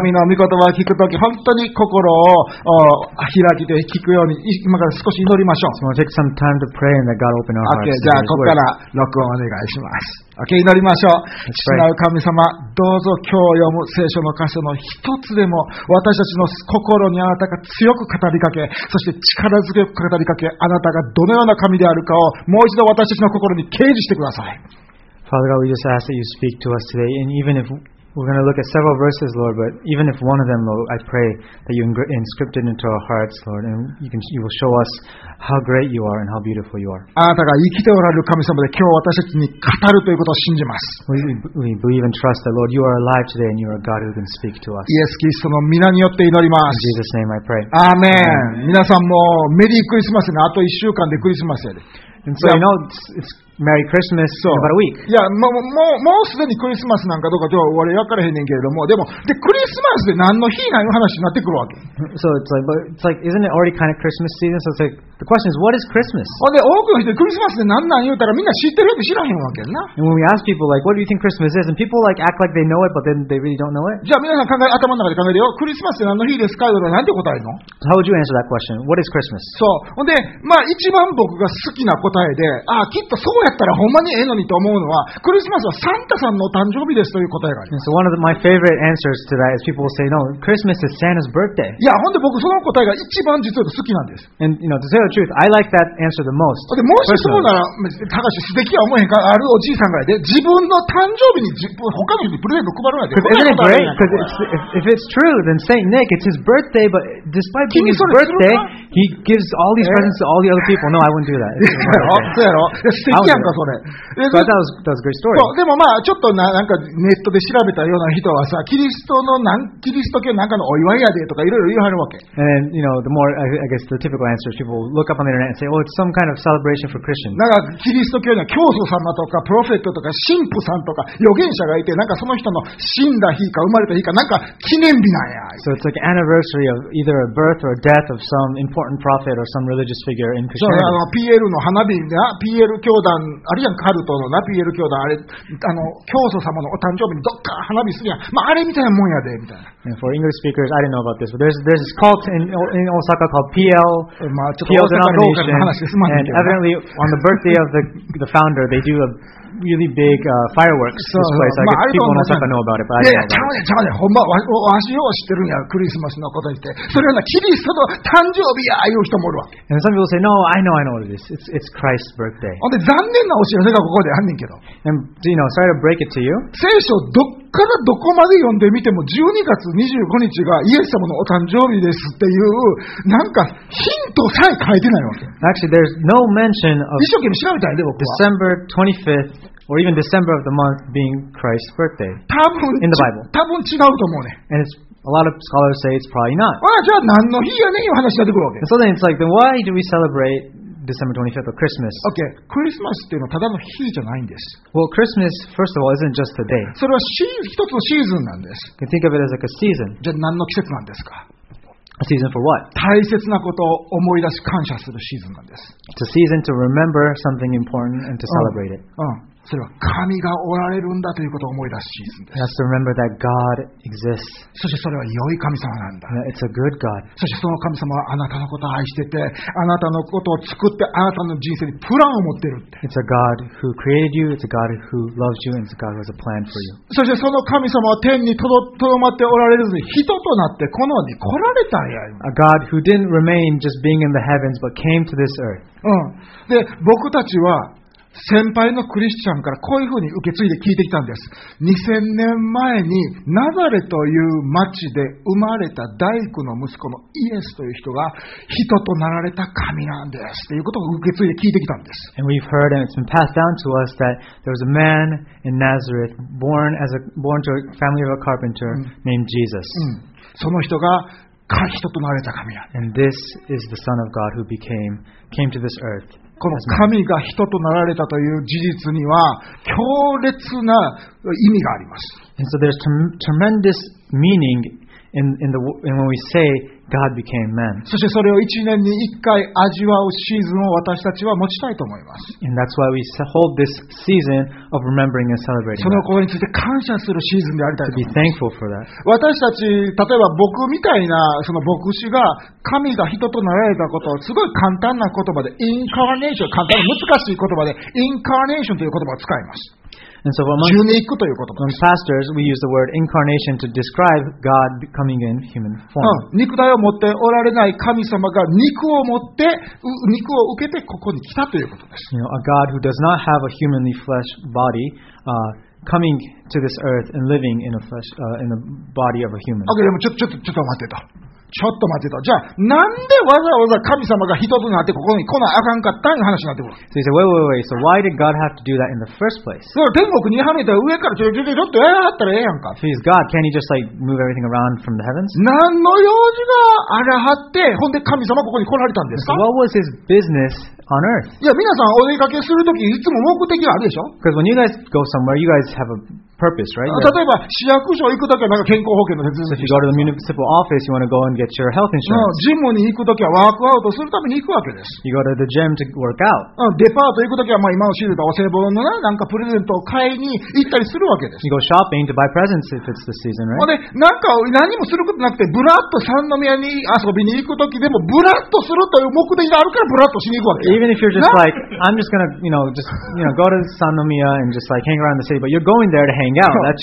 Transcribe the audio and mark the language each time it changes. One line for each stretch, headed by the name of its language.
Japanese: 神の御言葉を聞くとき本当に心を開きで聞くように今から少し祈りましょう。
English: So we'll take some time to pray and let God open our hearts.
Japanese: Okay, じゃあここから録音お願いします。OK 祈りましょう。父なる神様、どうぞ今日読む聖書の箇所の一つでも私たちの心にあなたが強く語りかけ、そして力強く語りかけ、あなたがどのような神であるかをもう一度私たちの心に掲示してください。
English: Father God, we just ask that you speak to us today, and even ifWe're going to look at several verses, Lord, but even if one of them, Lord, I pray that you inscript it into our hearts, Lord, and you will show us how great you are and how beautiful you are.
Japanese: あなたが生きておられる神様で今日私たちに語るということを信じます。
English: We believe and trust that, Lord, you are alive today and you are God who can speak to us.
Japanese: イエス・キリストの名によって祈ります。
English: In Jesus' name I pray. Amen.
Japanese: 皆さんもメリークリスマスね。あと1週間でクリスマスやで。
English: And so, you know, it's Merry Christmas in about a week.
Japanese: Yeah, もうすでにクリスマスなんかどうかとは俺分からへんねんけれども、でクリスマスで何の日なんて話になってくるわけ。
English: So it's like, isn't it already kind of Christmas season? So it's like, the question is, what is Christmas?
Japanese: で多くの人クリスマスで何なん言うたらみんな知ってるって知らへんわけな。
English: And when we ask people, like, what do you think Christmas is? And people, like, act like they know it, but then they really don't know it.
Japanese: じゃあ皆さん考え、頭の中で考えてよ。クリスマスで何の日ですか？とか何て答えの？
English: So how would you answer that question? What is Christmas?
Japanese: そう。ほんで、まあ一番僕が好きな答えで、あ、きっとそうやだったらほんまにええのにと思うのはクリスマスはサンタさんの誕生日ですという答えがあります。
English: So one of my favorite answers to that is people will say no, Christmas is Santa's birthday.
Japanese: いやほんで僕その答えが一番実は好きなんです。
English: And you know, to tell the truth, I like that answer the most.
Japanese: でもしそうなら、たかし素敵は思えへんか、あるおじいさんがいて自分の誕生日に他の人にプレゼント配るなんて。
English: Because isn't it great? Because if it's true, then Saint Nick, it's his birthday, but despite being his birthday, he gives all these presents to all the other people. No, I wouldn't do that.
Japanese: そうやろ、素敵やんかそれ。
English: that was a great story.
Japanese: でもまあちょっと なんかネットで調べたような人はさ、キリスト教なんかのお祝いやでとかいろいろ言われるわけ。
English: And you know, the more I guess the typical answer is people look up on the internet and say, oh, it's some kind of celebration for Christians.
Japanese: なんかキリスト教には教祖様とかプロフェットとか神父さんとか預言者がいて、なんかその人の死んだ日か生まれた日かなんか記念日なんや。
English: So it's like anniversary of either a birth or a death of some important prophet or some religious figure in Christianity.
Japanese: そう、PL の花火な、PL 教団あるやん、カルトのな、PL 教団、あれ、あの、教祖様のお誕生日にどっか花火するやん、まあ、あれみたいなもんやで、みたいな。
English: And for English speakers, I didn't know about this, but there's this cult in Osaka called PL,
Japanese: まあ、ちょっと PL denomination,
English: and evidently, on the birthday of the founder, they do a really big fireworks display, so I guess people in Osaka know about it, but I don't know about it.
Japanese: いや、ちゃうね、ほんま、わしよう知ってるんや、クリスマスのことにして。それはな、キリストの誕生日や、いう人もおるわ。
English: And some people say, no, I know what it is. It's Christ's birthday.
Japanese: ほんで、残念なお知らせがここであんねんけど。
English: And, you know, sorry to break it to you.
Japanese: 聖書どっからどこまで読んでみても12月25日がイエス様のお誕生日ですっていうなんかヒントさえ書いてないわけ。
English: Actually, there's no mention of
Japanese: 一生懸命調べたんで僕は
English: December 25th or even December of the month being Christ's birthday.
Japanese: 多分
English: in the Bible.
Japanese: 多分違うと思うね。
English: And it's a lot of scholars say it's probably not.
Japanese: あ、じゃあ何の日やねんいう話が出てくるわけ。
English: So then it's like, then why do we celebrate December 25th or Christmas?
Japanese: Okay, Christmas っていうのはただの日じゃないんです。
English: Well, Christmas, first of all, isn't just a day.
Japanese: それは一つのシーズンなんです。
English: You think of it as like a season.
Japanese: じゃあ何の季節なんですか？
English: A season for what?
Japanese: 大切なことを思い出し感謝するシーズンなんです。
English: It's a season to remember something important and to celebrate it.
Japanese: それは神がおられるんだということを思い出すシーズンです。
English: You have to remember that God exists.
Japanese: そしてそれは良い神様なんだ。
English: Yeah, it's a good God.
Japanese: そしてその神様はあなたのことを愛してて、あなたのことを作って、あなたの人生にプランを持ってるって。
English: It's a God who created you. It's a God who loves you. And it's a God who has a plan for you.
Japanese: そしてその神様は天にとどまっておられずに人となってこの世に来られたんや。
English: A God who didn't remain just being in the heavens but came to this earth.
Japanese: で、僕たちは先輩のクリスチャンからこういうふうに受け継いで聞いてきたんです。 2000年前にナザレという町で生まれた大工の息子のイエスという人が人となられた神なんですということを受け継いで聞いてきたんです。
English: And we've heard and it's been passed down to us that there was a man in Nazareth born to a family of a carpenter named Jesus.
Japanese: その人が人となられた神なんです。
English: And this is the son of God who came to this earth.
Japanese: この神が人となられたという事実には強烈な意味があります。
English: And so there's tremendous meaning in when we say God became man.
Japanese: そしてそれを1年に1回味わうシーズンを私たちは持ちたいと思います。
English: And that's why we hold this season of remembering and celebrating.
Japanese: そのことについて感謝するシーズンでありたいと思います。
English: To be thankful for that.
Japanese: 私たち、例えば僕みたいなその牧師が神が人となられたことをすごい簡単な言葉で、インカーネーション、簡単に難しい言葉で、インカーネーションという言葉を使います。
English: And so among pastors, we use the word incarnation to describe God becoming in human form.
Japanese: 肉体を持っておられない神様が肉を持って肉を受けてここに来たということです。
English: You know, a God who does not have a humanly flesh body, coming to this earth and living in a flesh, in the body of a human.
Japanese: Okay, でもちょっと待ってと。ちょっと待ってと。じゃあなんでわざわざ神様が人となってここに来なあかんかったんの話になってくる。
English: So he said, wait. So why did God have to do that in the first place?
Japanese: そう、天国に跳ねたら上からちょっとやったらええやんか。
English: He's God. Can't he just like move everything around from the heavens?
Japanese: 何の用事があらはって、ほんで神様ここに来られたんですか。
English: So、what was his business on earth?
Japanese: いや、皆さんお出かけするときいつも目的があるでしょ。
English: Because when you guys go somewhere, you guys have a purpose, right?
Japanese: 例えば市役所行くときはなんか健康保険の手続き。
English: If you go to the municipal office, you want to go and get your health insurance.
Japanese: ジムに行くときはワークアウトするために行くわけです。
English: You go to the gym to work out.
Japanese: デパート行くときはまあ今の知れたお歳暮のなんかプレゼントを買いに行ったりするわけです。
English: You go shopping to buy presents if it's the season, right?
Japanese: で、なんか何もすることなくてブラッと三宮に遊びに行くときでもブラッとするという目的があるからブラッとしに行くわけ。
English: Even if you're just like, I'm just gonna, you know, go to 三宮 and just like hang around the city, but you're going there to hang out.